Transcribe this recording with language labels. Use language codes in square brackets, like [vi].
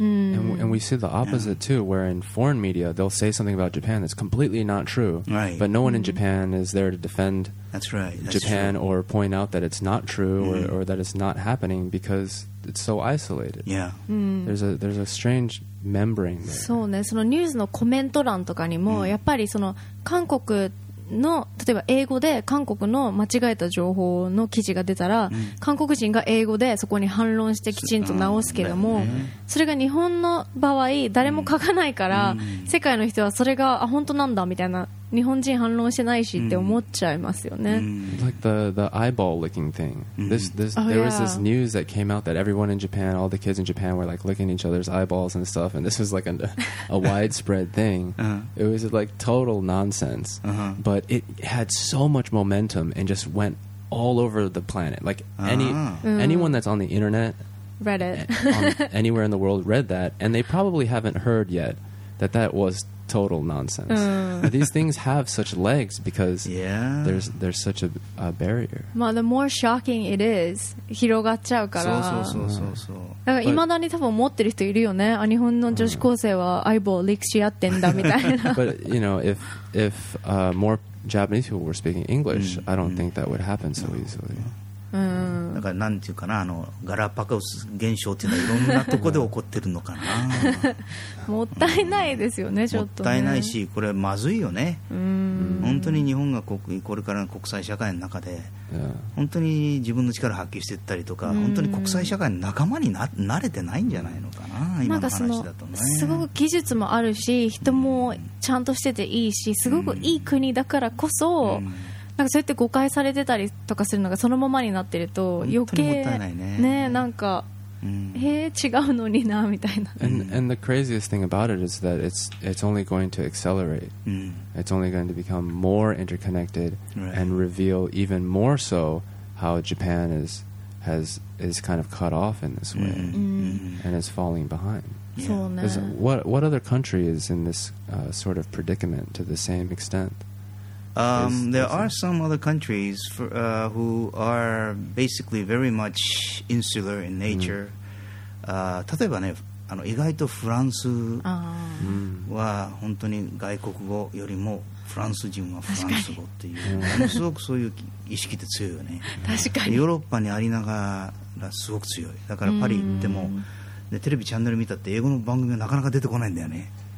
[en] And we see the opposite too, where in foreign media they'll say something about Japan that's completely not true, but no one in Japan is there to defend that's Japan. Or point out that it's not true or that it's not happening, because it's so isolated. There's a strange membrane there. [ja] そうね、そのニュースのコメント欄とかにも、やっぱりその韓国の例えば英語で韓国の間違えた情報の記事が出たら、韓国人が英語でそこに反論してきちんと直すけども、それが日本の場合誰も書かないから、世界の人はそれが本当なんだみたいな日本人反論してないしって思っちゃいますよね。 [en] Like the eyeball licking thing. There was this news that came out that everyone in Japan, all the kids in Japan were like licking each other's eyeballs and stuff, and this was like a widespread thing. It was like total nonsense. But it had so much momentum and just went all over the planet. Like anyone that's on the internet, read it anywhere in the world read that, and they probably haven't heard yet that that was total nonsense. But these things have such legs because there's such a barrier. Well, the more shocking it is, [ja] 広がっちゃうから。そうそうそうそうそう。だから未だに多分持ってる人いるよね。あ、日本の女子高生はアイボーリクシやってんだみたいな。 [en] But you know, if more Japanese people were speaking English, I don't think that would happen so easily. [ja] だからなんていうかな、あのガラパゴス現象っていうのはいろんなとこで起こってるのかな。もったいないですよね、ちょっと、ね、もったいないし、これまずいよね。本当に日本がこれからの国際社会の中で、本当に自分の力を発揮していったりとか、本当に国際社会の仲間に慣れてないんじゃないのかな、今の話だとね。すごく技術もあるし、人もちゃんとしてていいし、すごくいい国だからこそ、なんかそうやって誤解されてたりとかするのがそのままになってると余計ね、なんか、違うのになみたいな。 [en] And the craziest thing about it is that it's only going to accelerate. It's only going to become more interconnected and reveal even more so how Japan is kind of cut off in this way and is falling behind. [ja] そうね。 [en] What other country is in this sort of predicament to the same extent? There are some other countries who are basically very much insular in nature. [ja] 例えばね、あの意外とフランスは本当に外国語よりもフランス人はフランス語っていう、ものすごくそういう意識って強いよね。確かに。ヨーロッパにありながらすごく強い。だからパリ行っても、でテレビチャンネル見たって英語の番組がなかなか出てこないんだよね。